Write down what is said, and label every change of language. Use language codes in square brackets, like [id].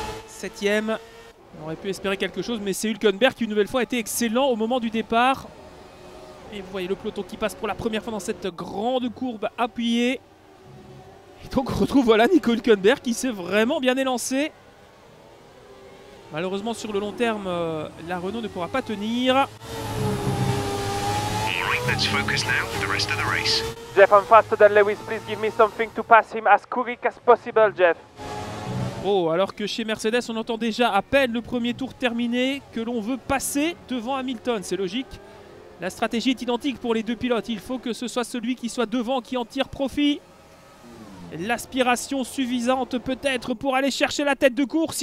[fr] 7e. On aurait pu espérer quelque chose, mais c'est Hülkenberg qui, une nouvelle fois, a été excellent au moment du départ. Et vous voyez le peloton qui passe pour la première fois dans cette grande courbe appuyée. Et donc on retrouve, voilà, Nico Hülkenberg qui s'est vraiment bien élancé. Malheureusement, sur le long terme, la Renault ne pourra pas tenir. [en] Let's focus now for the rest of the race. Jeff, I'm faster than Lewis. Please give me something to pass him as quick as possible, Jeff. [fr] Oh, alors que chez Mercedes, on entend déjà à peine le premier tour terminé que l'on veut passer devant Hamilton. C'est logique. La stratégie est identique pour les deux pilotes. Il faut que ce soit celui qui soit devant qui en tire profit. L'aspiration suffisante peut-être pour aller chercher la tête de course.